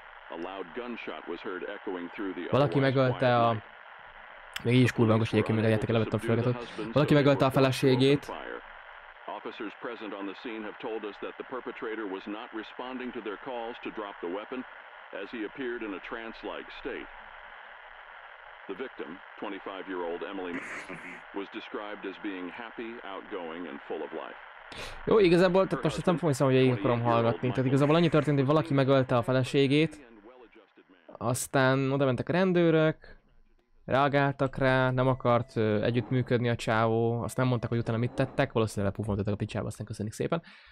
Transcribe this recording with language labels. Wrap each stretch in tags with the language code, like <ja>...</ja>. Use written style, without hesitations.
<en>A loud gunshot was heard echoing through the</en> <hu>Valaki megölte a... Még így is kurva hangos egyébként, mert a játékkel levettem a felületet. Valaki megölte a feleségét.</hu> <en>Officers present on the scene have told us that the perpetrator was not responding to their calls to drop the weapon, as he appeared in a trance-like state. The victim, 25-year-old Emily, was described as being happy, outgoing and full of life.</en> <hu>Jó, igazából, tehát most nem fogom hiszem, hogy én akarom hallgatni. Tehát igazából annyi történt, hogy valaki megölte a feleségét. Aztán oda mentek a rendőrök, reagáltak rá, nem akart együttműködni a csávó, azt nem mondták, hogy utána mit tettek, valószínűleg lepufoltottak a picsába, aztán köszönjük szépen.</hu>